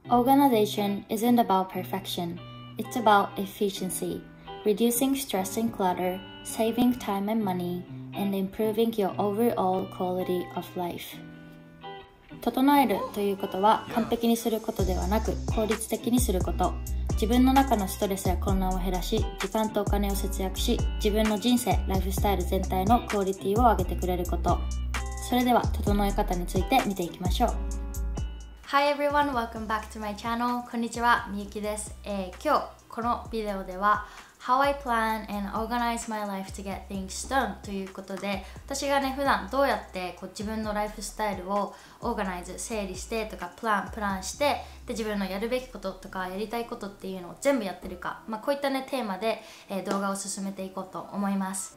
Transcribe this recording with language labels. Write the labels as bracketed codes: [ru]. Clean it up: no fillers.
[en] Organization isn't about perfection. It's about efficiency, reducing stress and clutter, saving time and money, and improving your overall quality of life. [ja] 整えるということは完璧にすることではなく効率的にすること。自分の中のストレスや混乱を減らし、時間とお金を節約し、自分の人生、ライフスタイル全体のクオリティを上げてくれること。それでは整え方について見ていきましょう。 [en] Hi everyone, welcome back to my channel. [ja] こんにちは、みゆきです。今日このビデオでは How I plan and organize my life to get things done ということで、私がね、普段どうやってこう自分のライフスタイルをオーガナイズ、整理してとかプランして、で、自分のやるべきこととかやりたいことっていうのを全部やってるか、まあ、こういったね、テーマで動画を進めていこうと思います。